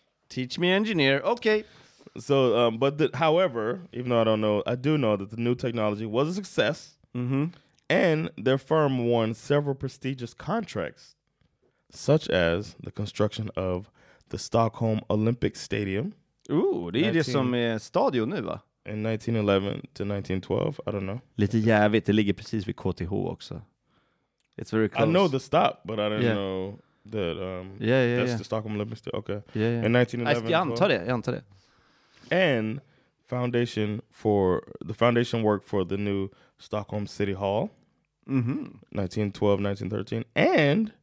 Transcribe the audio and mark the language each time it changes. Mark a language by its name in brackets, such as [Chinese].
[English] Teach me engineer. Okay. So, however, even though I don't know, I do know that the new technology was a success. Mm-hmm. And their firm won several prestigious contracts, such as the construction of the Stockholm Olympic Stadium. [Swedish] Ooh, det är det som är stadion nu, va? [English] In 1911 to 1912, I don't know. [Swedish] Lite jävligt, det ligger precis vid KTH också. [English] It's very close. I know the stop, but I don't know that that's the Stockholm Olympic Stadium. Okay. Yeah, yeah. In 1911. [Swedish] Jag antar det. [English] And foundation work for the new Stockholm City Hall, mm-hmm. 1912, 1913, and